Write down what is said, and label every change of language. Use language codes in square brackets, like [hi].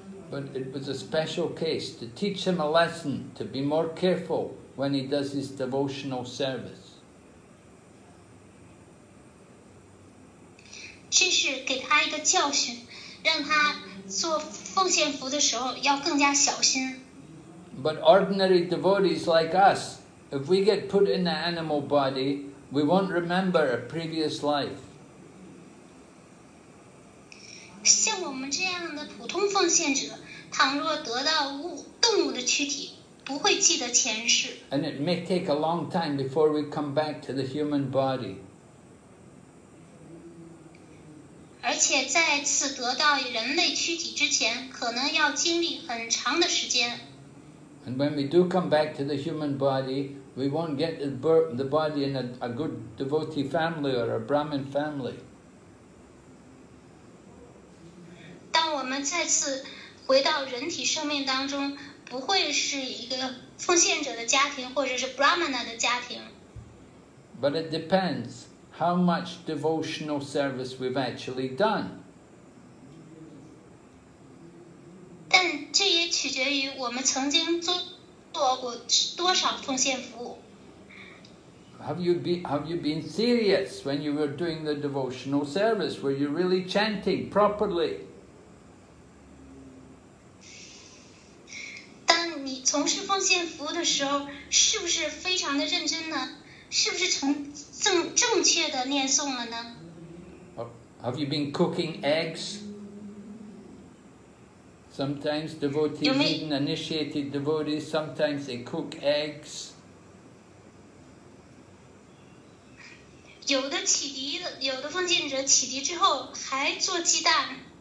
[en] But it was a special case to teach him a lesson to be more careful. When he does his devotional service. [zh] 这是给他一个教训，让他做奉献服的时候要更加小心。 [en] But ordinary devotees like us, if we get put in the animal body, we won't remember a previous life. [zh] 像我们这样的普通奉献者，倘若得到动物的躯体。不会记得前世。 [en] And it may take a long time before we come back to the human body. [zh] 而且再次得到人类躯体之前，可能要经历很长的时间。 [en] And when we do come back to the human body, we won't get the body in a good devotee family or a Brahmin family. [zh] 当我们再次回到人体生命当中。不会是一个奉献者的家庭，或者是 Brahmana 的家庭。 [en] But it depends how much devotional service we've actually done. [zh] 但这也取决于我们曾经做过多少奉献服务。 [en] Have you been serious when you were doing the devotional service? Were you really chanting properly? [zh] 从事奉献服务的时候，是不是非常的认真呢？是不是正确的念诵了呢 [en] ？Have you been cooking eggs? Sometimes devotees, even initiated devotees, sometimes they cook eggs. [zh] 有的启迪，有的奉献者启迪之后还做鸡蛋。